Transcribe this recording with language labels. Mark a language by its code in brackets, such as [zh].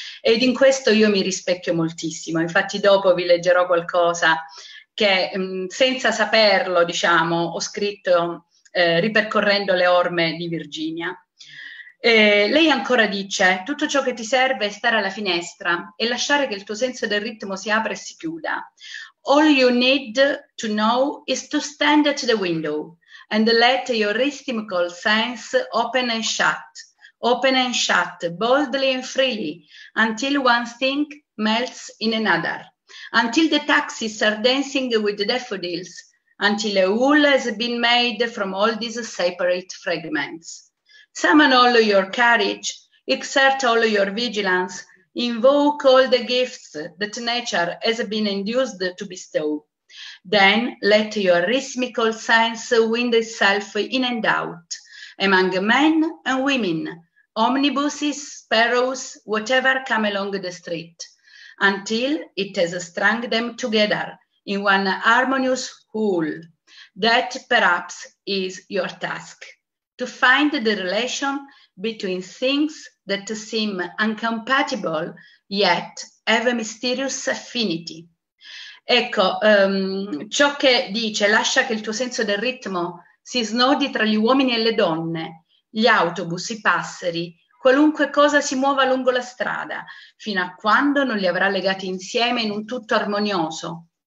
[it] Ed in questo io mi rispecchio moltissimo, infatti dopo vi leggerò qualcosa che senza saperlo, diciamo, ho scritto ripercorrendo le orme di Virginia. Lei ancora dice: tutto ciò che ti serve è stare alla finestra e lasciare che il tuo senso del ritmo si apra e si chiuda. [en] All you need to know is to stand at the window and let your rhythmical sense open and shut, boldly and freely, until one thing melts in another, until the taxis are dancing with the daffodils, until a wool has been made from all these separate fragments. Summon all your courage, exert all your vigilance, invoke all the gifts that nature has been induced to bestow. Then let your rhythmical sense wind itself in and out, among men and women, omnibuses, sparrows, whatever come along the street, until it has strung them together in one harmonious whole. That perhaps is your task, to find the relation between things that seem incompatible yet have a mysterious affinity. [it] Ecco, ciò che dice: lascia che il tuo senso del ritmo si snodi tra gli uomini e le donne, gli autobus, i passeri, qualunque cosa si muova lungo la strada, fino a quando non li avrà legati insieme in un tutto armonioso.